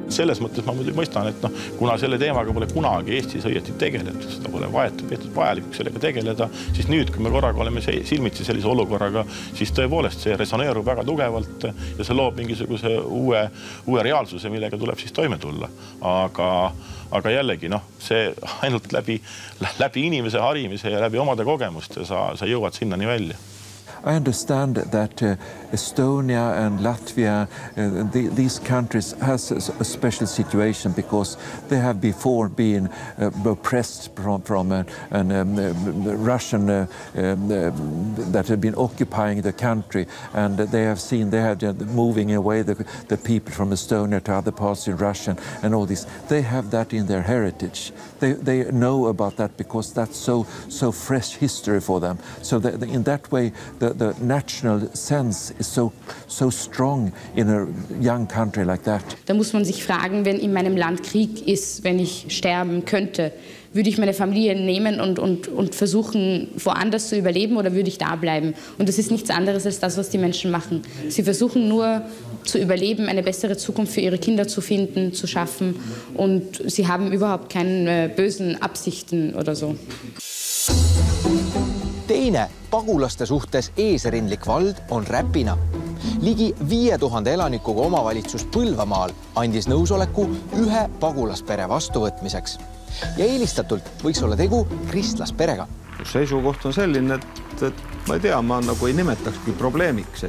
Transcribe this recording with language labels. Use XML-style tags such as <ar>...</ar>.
<et>Selles mõttes ma mõistan, et kuna selle teemaga pole kunagi Eestis õieti tegeletud, seda pole peetud vajalikuks sellega tegeleda, siis nüüd, kui me korraga oleme silmitsi sellise olukorraga, siis tõepoolest see resoneerub väga tugevalt ja see loob mingisuguse uue reaalsuse, millega tuleb siis toime tulla. Aga jällegi, see ainult läbi inimese harimise ja läbi omade kogemuste sa jõuad sinna nii välja.</et> <en>I understand that Estonia and Latvia, these countries has a special situation because they have before been oppressed from Russian that have been occupying the country, and they have seen they have moving away the people from Estonia to other parts in Russia and all this. They have that in their heritage. They know about that because that's so fresh history for them. So in that way, the national sense is so strong in a young country like that.</en> <de>Da muss man sich fragen, wenn in meinem Land Krieg ist, wenn ich sterben könnte, würde ich meine Familie nehmen und versuchen, woanders zu überleben, oder würde ich da bleiben? Und das ist nichts anderes als das, was die Menschen machen. Sie versuchen nur zu überleben, eine bessere Zukunft für ihre Kinder zu finden, zu schaffen, und sie haben überhaupt keine bösen Absichten oder so.</de> <et>Teine pagulaste suhtes eesrindlik vald on Räpina. Ligi 5000 elanikuga omavalitsus Põlvamaal andis nõusoleku ühe pagulaspere vastuvõtmiseks. Ja eelistatult võiks olla tegu kristlasperega. Seisukoht on selline, et ma ei tea, ma nagu ei nimetakski probleemiks.</et>